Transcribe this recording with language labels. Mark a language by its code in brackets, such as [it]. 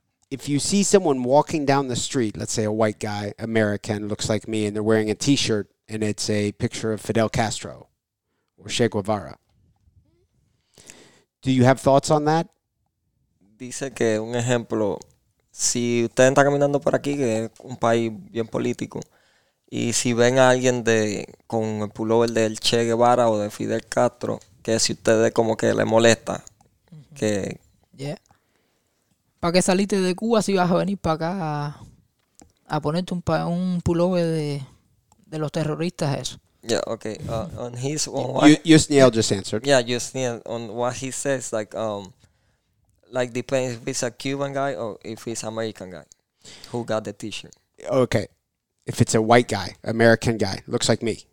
[en] If you see someone walking down the street, let's say a white guy, American, looks like me, and they're wearing a t-shirt, and it's a picture of Fidel Castro or Che Guevara, do you have thoughts on that? [es] Dice que un ejemplo, si usted está caminando por aquí, que es un país bien político, y si ven a alguien de con el pullover del Che Guevara o de Fidel Castro, que si ustedes como que le molesta, que... [en] Yeah. [es] ¿Para qué saliste de Cuba si vas a venir para acá a ponerte un pullover de los terroristas, eso? [en] Yeah, okay. On his... Yusniel just answered. Yeah, Yusniel, on what he says, like depends if it's a Cuban guy or if it's American guy who got the t-shirt. Okay. If it's a white guy, American guy, looks like me.